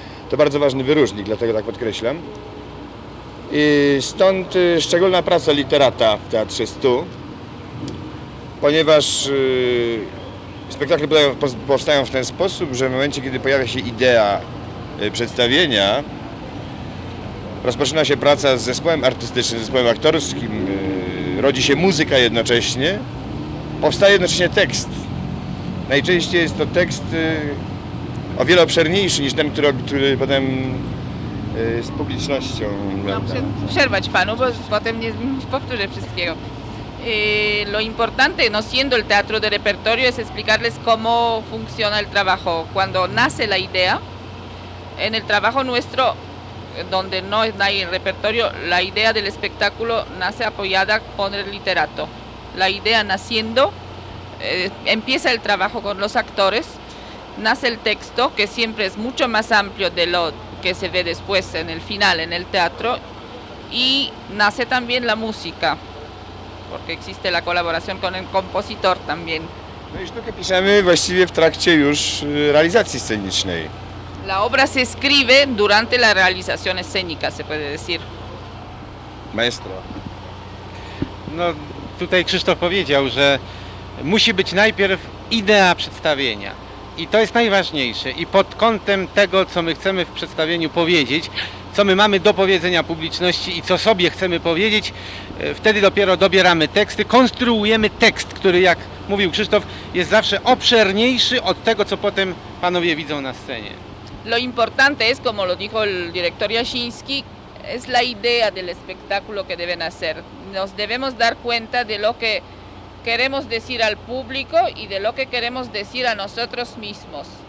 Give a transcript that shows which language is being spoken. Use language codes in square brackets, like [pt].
[pl] To bardzo ważny wyróżnik, dlatego tak podkreślam. I stąd szczególna praca literata w Teatrze Stu, ponieważ spektakle powstają w ten sposób, że w momencie, kiedy pojawia się idea przedstawienia, rozpoczyna się praca z zespołem artystycznym, zespołem aktorskim, rodzi się muzyka jednocześnie, powstaje jednocześnie tekst. Najczęściej jest to tekst o wiele obszerniejszy niż ten, który potem z publicznością... Mam przerwać panu, bo potem nie powtórzę wszystkiego. [es] Lo importante, no siendo el teatro de repertorio, es explicarles cómo funciona el trabajo. Cuando nace la idea, en el trabajo nuestro, donde no hay el repertorio, la idea del espectáculo nace apoyada con el literato. La idea naciendo, empieza el trabajo con los actores, nace el texto, que siempre es mucho más amplio de lo que se ve después en el final, en el teatro, y nace también la música, porque existe la colaboración con el compositor también. [pl] No, y sztukę piszemy właściwie w trakcie już realizacji scenicznej. [es] La obra se escribe durante la realización escénica, se puede decir. Maestro. [pl] No, tutaj Krzysztof powiedział, że musi być najpierw idea przedstawienia. I to jest najważniejsze. I pod kątem tego, co my chcemy w przedstawieniu powiedzieć, co my mamy do powiedzenia publiczności i co sobie chcemy powiedzieć, wtedy dopiero dobieramy teksty, konstruujemy tekst, który, jak mówił Krzysztof, jest zawsze obszerniejszy od tego, co potem panowie widzą na scenie. [es] Lo importante es, como lo dijo el director Jasiński, es la idea del espectáculo que deben hacer. Nos debemos dar cuenta de lo que queremos decir al público y de lo que queremos decir a nosotros mismos.